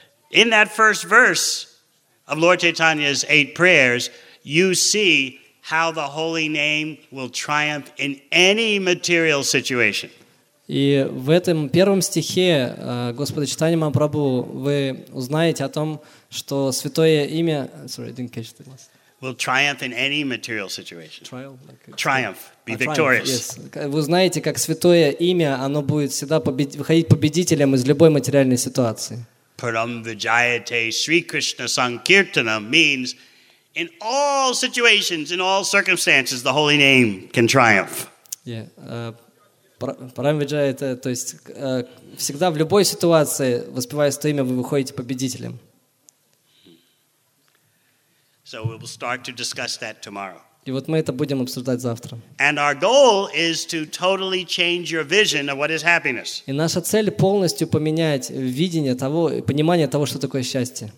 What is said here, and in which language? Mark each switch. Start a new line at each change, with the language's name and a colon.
English: In that first verse of Lord Chaitanya's 8 prayers, you see how the holy name will triumph in any material situation.
Russian: И в этом первом стихе Господа Чайтанья Махапрабху вы узнаете о том, что святое имя...
English: Sorry, I didn't catch the last. Will triumph in any material situation. Trial, triumph, be victorious. Yes.
Russian: Вы знаете, как святое имя, оно будет всегда выходить победителем из любой материальной ситуации.
Sanskrit: Param vijayate Sri Krishna Sankirtanam
English: means in all situations, in all circumstances, the holy name can triumph. Yeah.
Russian: Param vijayate, то есть всегда в любой ситуации, воспевая свое имя, вы выходите победителем.
English: So we will start to discuss that tomorrow.
Russian: И вот мы это будем обсуждать завтра.
English: And our goal is to totally change your vision of what is happiness.
Russian: И наша цель полностью поменять видение того, понимание того, что такое счастье.